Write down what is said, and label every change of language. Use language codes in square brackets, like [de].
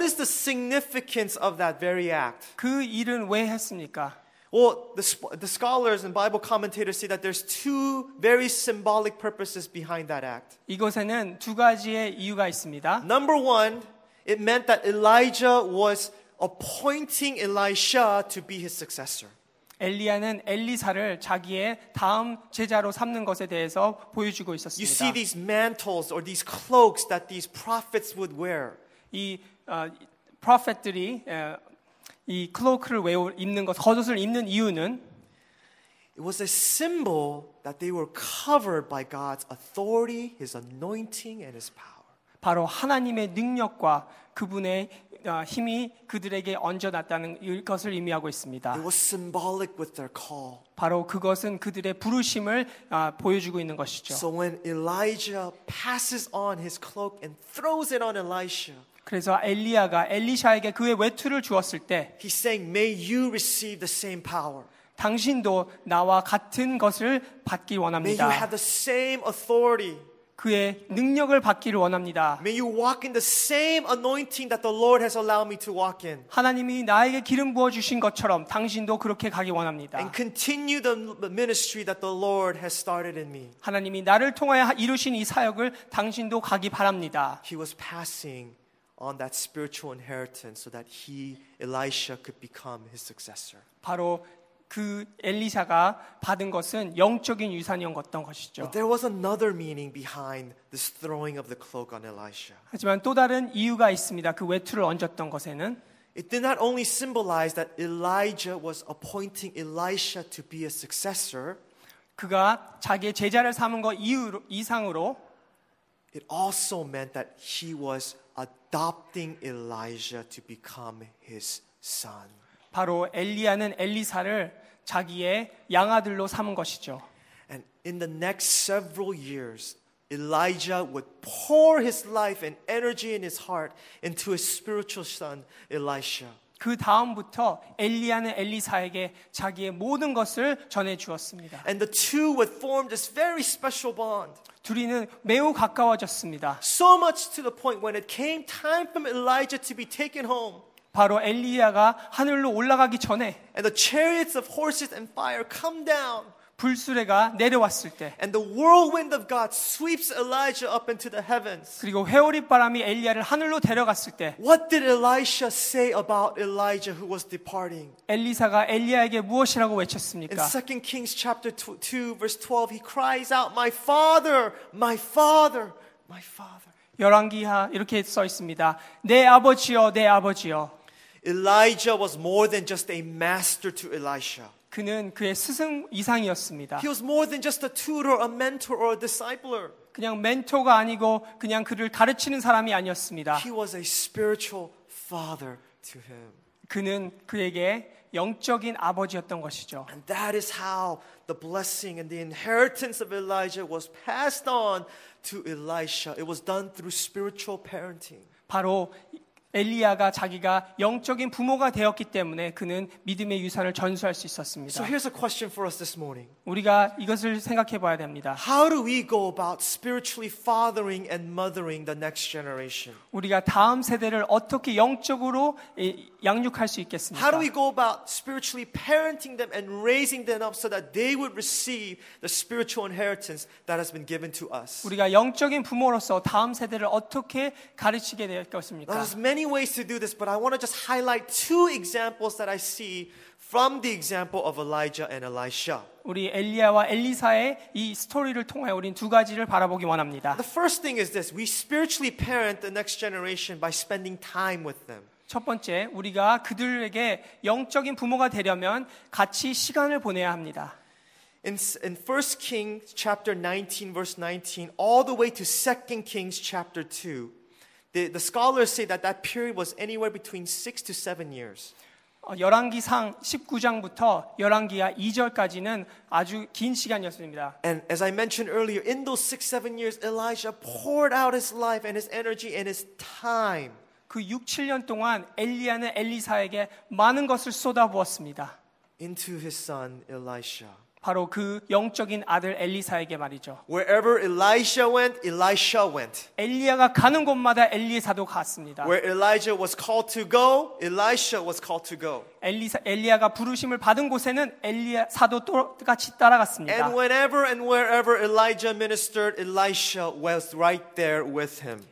[en] What is the significance of that very act? [ko] 그 일은 왜 했습니까? [en] Well, the scholars and Bible commentators see that there's two very symbolic purposes behind that act. [ko] 이것에는 두 가지의 이유가 있습니다. [en] Number one, it meant that Elijah was appointing Elisha to be his successor. [ko] 엘리야는 엘리사를 자기의 다음 제자로 삼는 것에 대해서 보여주고 있었습니다. [en] You see these mantles or these cloaks that these prophets would wear. [ko] 이 prophet들이 이 cloak를 입는 것, 겉옷을 입는 이유는 [en] it was a symbol that they were covered by God's authority, His anointing, and His power. [ko] 바로 하나님의 능력과 그분의 힘이 그들에게 얹어놨다는 것을 의미하고 있습니다. [en] It was symbolic with their call. [ko] 바로 그것은 그들의 부르심을 보여주고 있는 것이죠. [en] So when Elijah passes on his cloak and throws it on Elisha, [ko] 그래서 엘리야가 엘리샤에게 그의 외투를 주었을 때, [en] he's saying, "May you receive the same power." [ko] 당신도 나와 같은 것을 받기 원합니다. [en] May you have the same authority. [ko] 그의 능력을 받기를 원합니다. [en] May you walk in the same anointing that the Lord has allowed me to walk in. [ko] 하나님이 나에게 기름 부어 주신 것처럼 당신도 그렇게 가기 원합니다. [en] And continue the ministry that the Lord has started in me. [ko] 하나님이 나를 통하여 이루신 이 사역을 당신도 가기 바랍니다. [en] He was passing on that spiritual inheritance so that he Elisha could become his successor. [ko] 바로 그 엘리사가 받은 것은 영적인 유산이었던 것이죠. [en] But there was another meaning behind this throwing of the cloak on Elisha. [ko] 하지만 또 다른 이유가 있습니다. 그 외투를 얹었던 것에는 [en] It did not only symbolize that Elijah was appointing Elisha to be a successor. [ko] 그가 자기의 제자를 삼은 것 이상으로 [en] It also meant that he was adopting Elijah to become his son. [ko] 바로 엘리야는 엘리사를 자기의 양아들로 삼은 것이죠. [en] And in the next several years, Elijah would pour his life and energy in his heart into his spiritual son, Elisha. [ko] 그 다음부터 엘리야는 엘리사에게 자기의 모든 것을 전해 주었습니다. [en] And the two would form this very special bond. [ko] 둘이는 매우 가까워졌습니다. [en] So much to the point when it came time for Elijah to be taken home. [ko] 바로 엘리야가 하늘로 올라가기 전에 [en] and the chariots of horses and fire come down [ko] 불수레가 내려왔을 때 [en] and the whirlwind of God sweeps Elijah up into the heavens [ko] 그리고 회오리 바람이 엘리야를 하늘로 데려갔을 때 [en] what did Elisha say about Elijah who was departing [ko] 엘리사가 엘리야에게 무엇이라고 외쳤습니까 [en] in 2 Kings chapter 2 verse 12 he cries out my father my father my father [ko] 열왕기하 이렇게 써 있습니다. 내 아버지여, 내 아버지여. [en] Elijah was more than just a master to Elisha. [ko] 그는 그의 스승 이상이었습니다. [en] He was more than just a tutor, a mentor, or a discipler. [ko] 그냥 멘토가 아니고 그냥 그를 가르치는 사람이 아니었습니다. [en] He was a spiritual father to him. [ko] 그는 그에게 영적인 아버지였던 것이죠. [en] And that is how the blessing and the inheritance of Elijah was passed on to Elisha. It was done through spiritual parenting. [ko] 바로 엘리야가 자기가 영적인 부모가 되었기 때문에 그는 믿음의 유산을 전수할 수 있었습니다. [en] So here's a question for us this morning. [ko] 우리가 이것을 생각해 봐야 됩니다. [en] How do we go about spiritually fathering and mothering the next generation? [ko] 우리가 다음 세대를 어떻게 영적으로 양육할 수 있겠습니까? [en] How do we go about spiritually parenting them and raising them up so that they would receive the spiritual inheritance that has been given to us? [ko] 우리가 영적인 부모로서 다음 세대를 어떻게 가르치게 되었겠습니까? [en] There's many ways to do this, but I want to just highlight two examples that I see from the example of Elijah and Elisha. [ko] 우리 엘리야와 엘리사의 이 스토리를 통해 우린 두 가지를 바라보기 원합니다. [en] The first thing is this: we spiritually parent the next generation by spending time with them. [ko] 첫 번째, 우리가 그들에게 영적인 부모가 되려면 같이 시간을 보내야 합니다. [en] In 1 Kings chapter 19 verse 19 all the way to 2 Kings chapter 2. The scholars say that that period was anywhere between 6 to 7 years. [ko] 열왕기상 19장부터 열왕기하 2절까지는 아주 긴 시간이었습니다. [en] And as I mentioned earlier, in those 6 to 7 years Elijah poured out his life and his energy and his time. [ko] 그 6, 7년 동안 엘리야는 엘리사에게 많은 것을 쏟아부었습니다. [en] Into his son Elisha. [ko] 바로 그 영적인 아들 엘리사에게 말이죠. [en] Wherever Elisha went, Elisha went. [ko] 엘리야가 가는 곳마다 엘리사도 갔습니다. [en] Where Elijah was called to go, Elisha was called to go. [ko] 엘리야가 부르심을 받은 곳에는 엘리사도 똑같이 따라갔습니다. [en] And whenever and wherever Elijah ministered, Elisha was right there with him.